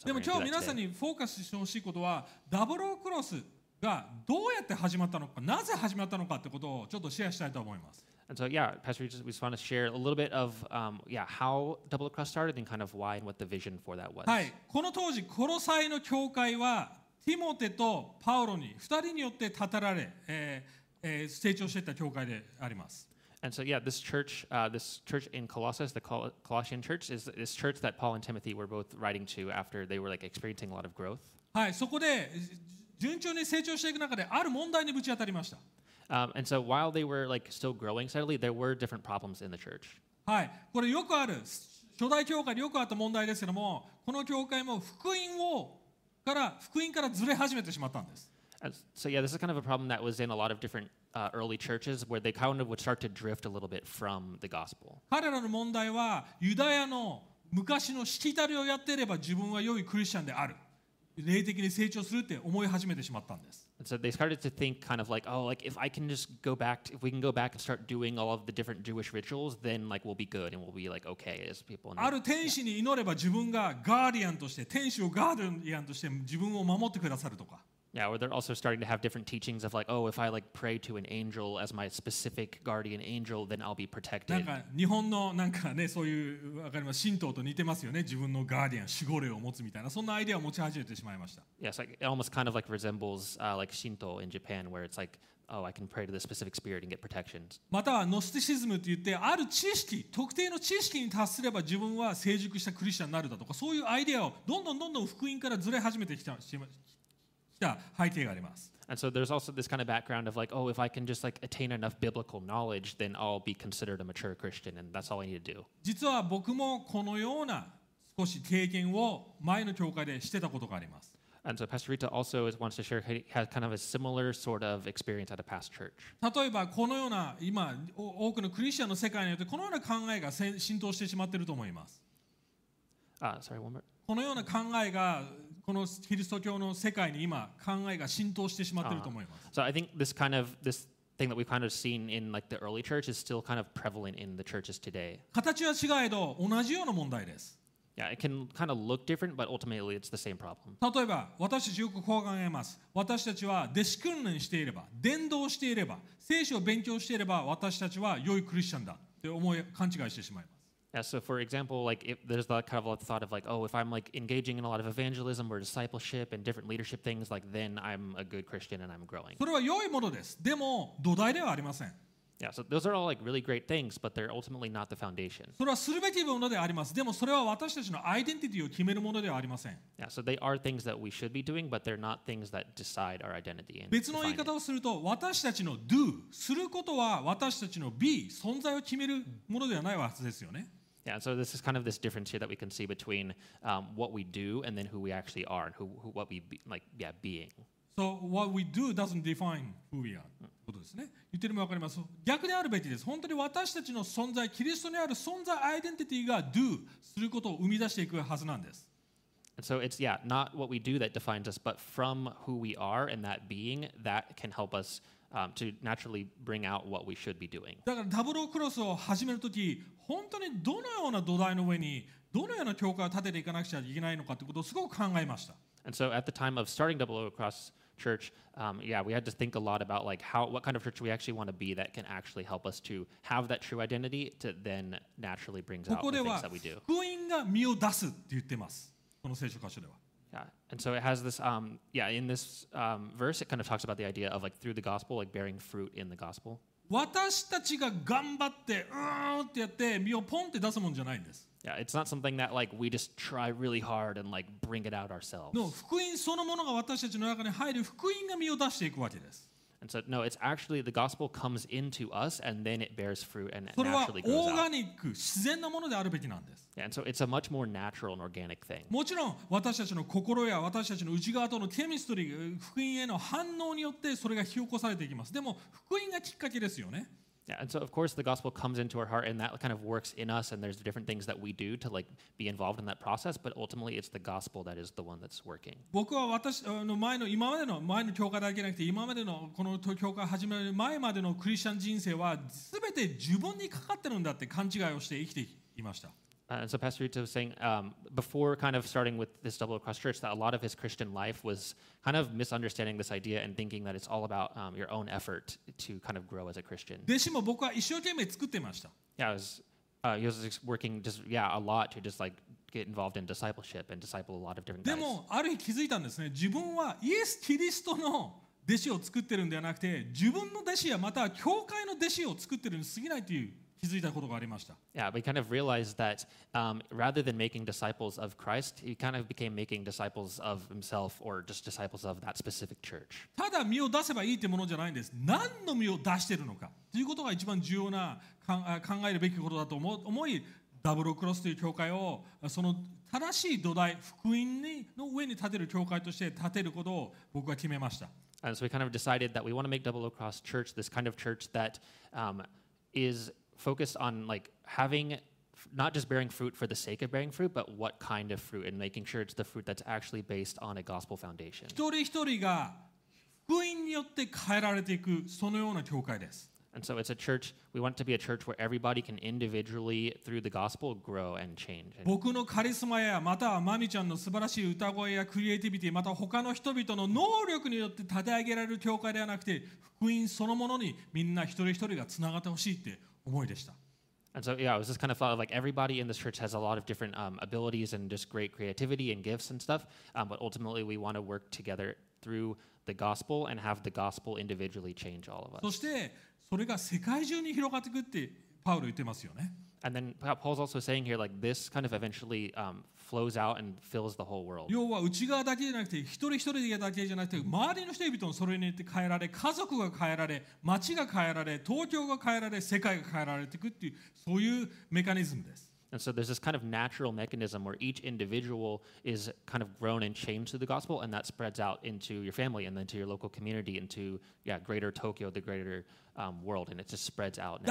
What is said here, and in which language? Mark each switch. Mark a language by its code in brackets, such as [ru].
[ja] でも今日皆さんにフォーカスしてほしいことは、ダブルオクロスがどうやって始まったのか、なぜ始まったのかってことをちょっとシェアしたいと思います。 [en] And so yeah, Pastor, we just want to share a little bit of, how Double O Cross started and kind of why and what the vision for that was. [ja] はい、この当時コロサイの教会はティモテとパウロに2人によって建てられ、成長していた教会であります。 [en] And so, yeah, this church in Colossus, the Colossian church, is this church that Paul and Timothy were both writing to after they were like experiencing a lot of growth. [ja] はい、そこで順調に成長していく中である問題にぶち当たりました。 [en] And so while they were like still growing steadily, there were different problems in the church. [ja] はい、これよくある初代教会でよくあった問題ですけども、この教会も福音からずれ始めてしまったんです。 [en] So yeah, this is kind of a problem that was in a lot of different early churches where they kind of would start to drift a little bit from the gospel. [ja] 彼らの問題はユダヤの昔のしきたりをやっていれば自分は良いクリスチャンである。霊的に成長するって思い始めてしまったんです。 [en] And so they started to think kind of like, oh, like if I can just go back, if we can go back and start doing all of the different Jewish rituals, then like we'll be good and we'll be like okay as people. [ja] ある天使に祈れば自分がガーディアンとして、天使をガーディアンとして自分を守ってくださるとか。 [en] Yeah, or they're also starting to have different teachings of like, oh, if I like pray to an angel as my specific guardian angel, then I'll be protected. [ja] なんか日本のなんかね、そういうわかります、神道と似てますよね。自分のガーディアン、守護霊を持つみたいな、そんなアイデアを持ち始めてしまいました。 [en] Yeah, so it almost kind of like resembles like Shinto in Japan, where it's like, oh, I can pray to the specific spirit and get protection. [ja] またはノスティシズムって言って、ある知識、特定の知識に達すれば自分は成熟したクリスチャンになるだとか、そういうアイデアをどんどんどんどん福音からずれ始めてきてます。背景があります。 [en] And so there's also this kind of background of like, oh, if I can just like attain enough biblical knowledge, then I'll be considered a mature Christian, and that's all I need to do. [ja] 実は僕もこのような少し経験を前の教会でしてたことがあります。 [en] And so Pastor Rita also wants to share has kind of a similar sort of experience at a past church. [ja] 例えばこのような今多くのクリスチャンの世界によってこのような考えが浸透してしまっていると思います。 [en] Sorry, one more. [ja] このような考えがこのキリスト教の世界に今考えが浸透してしまっていると思います。 [en] So I think this kind of this thing that we've kind of seen in like the early church is still kind of prevalent in the churches today. [ja] 形は違えど同じような問題です。 [en] Yeah, it can kind of look different, but ultimately it's the same problem. [ja] 例えば私たちよくこう考えます。私たちは弟子訓練していれば、伝道していれば、聖書を勉強していれば、私たちは良いクリスチャンだって思い勘違いしてしまいます。 [en] Yeah, so for example, like if there's that kind of a thought of like, oh, if I'm like engaging in a lot of evangelism or discipleship and different leadership things, like then I'm a good Christian and I'm growing. [ja] それは良いものです。でも土台ではありません。 [en] Yeah, so those are all like really great things, but they're ultimately not the foundation. [ja] それはするべきものであります。でもそれは私たちのアイデンティティを決めるものではありません。 [en] Yeah, so they are things that we should be doing, but they're not things that decide our identity. [ja] 別の言い方をすると、私たちの do することは私たちの be 存在を決めるものではないはずですよね。 [en] Yeah, so this is kind of this difference here that we can see between what we do and then who we actually are and who what we be, like yeah being. So what we do doesn't define who we are. [ja] ことですね、言ってるも分かります。逆であるべきです。本当に私たちの存在、キリストにある存在アイデンティティが do することを生み出していくはずなんです。 [en] And so it's yeah not what we do that defines us but from who we are and that being that can help us、to naturally bring out what we should be doing。 [ja] だからダブルクロスを始めるとき、本当にどのような土台の上にどのような教会を立てていかなくちゃいけないのかということをすごく考えました。 [en] And so at the time of starting Double O CrossChurch, yeah, we had to think a lot about like how, what kind of church we actually want to be that can actually help us to have that true identity to then naturally bring out the things that we do. [ja] ここでは福音が身を出すって言ってます。この聖書箇所では。 [en] Yeah, and so it has this, yeah, in this verse, it kind of talks about the idea of like through the gospel, like bearing fruit in the gospel. [ja] 私たちが頑張ってうーんってやって身をポンって出すもんじゃないんです。 [en] Yeah, it's not something that like we just try really hard and like bring it out ourselves. [ja] No, 福音そのものが私たちの中に入る福音が身を出していくわけです。 [en] And so, no, it's actually the gospel comes into us and then it bears fruit and naturally grows out. [ja] それはオーガニック、自然なものであるべきなんです。 [en] Yeah, and so it's a much more natural and organic thing. [ja] もちろん私たちの心や私たちの内側とのケミストリー、福音への反応によってそれが引き起こされていきます。でも福音がきっかけですよね。 [en] Yeah, and so of course the gospel comes into our heart and that kind of works in us and there's different things that we do to like be involved in that process, but ultimately it's the gospel that is the one that's working. [ja] 僕は私の前の今までの前の教会だけじゃなくて今までのこの教会始める前までのクリスチャン人生は全て自分にかかってるんだって勘違いをして生きていました。 [en] And so Pastor Rita was saying, before kind of starting with this Double Cross Church, that a lot of his Christian life was kind of misunderstanding this idea and thinking that it's all about your own effort to kind of grow as a Christian. [ja] 弟子も僕は一生懸命作ってました。 [en] Yeah, he was working just, yeah, a lot to just like get involved in discipleship and disciple a lot of different guys. [ja] でもある日気づいたんですね。自分はイエス・キリストの弟子を作ってるんではなくて、自分の弟子やまたは教会の弟子を作ってるに過ぎないという。気づいたことがありました。 [en] Yeah, we kind of realized that rather than making disciples of Christ, he kind of became making disciples of himself or just disciples of that specific church. [ja] ただ身を出せばいいってものじゃないんです。何の身を出してるのかということが一番重要な考えるべきことだと思い、ダブルクロスという教会をその正しい土台、福音の上に立てる教会として立てることを僕は決めました。 [en] And so we kind of decided that we want to make Double Cross Church this kind of church that isFocused on like having not just bearing fruit for the sake of bearing fruit, but what kind of fruit and making sure it's the fruit that's actually based on a gospel foundation. [ja] 一人一人が福音によって変えられていくそのような教会です。 [en] And so it's a church, we want to be a church where everybody can individually, through the gospel, grow and change. [ja] 僕のカリスマや、またはマミちゃんの素晴らしい歌声やクリエイティビティ、また他の人々の能力によって立て上げられる教会ではなくて、福音そのものにみんな一人一人がつながってほしいって。 [en] And so, yeah, it was this kind of thought of like everybody in this church has a lot of different abilities and just great creativity and gifts and stuff. But ultimately, we want to work together through the gospel and have the gospel individually change all of us. [ja] そしてそれが世界中に広がっていくってパウロ言ってますよね。 [en] And then Paul's also saying here, like this kind of eventually flows out and fills the whole world. [ja] 要は内側だけじゃなくて一人一人だけじゃなくて周りの人々もそれによって変えられ、家族が変えられ、街が変えられ、東京が変えられ、世界が変えられていくっていうそういうメカニズムです。 [en] And so there's this kind of natural mechanism where each individual is kind of grown and changed through the gospel, and that spreads out into your family and then to your local community, into yeah, greater Tokyo, the greater world, and it just spreads out.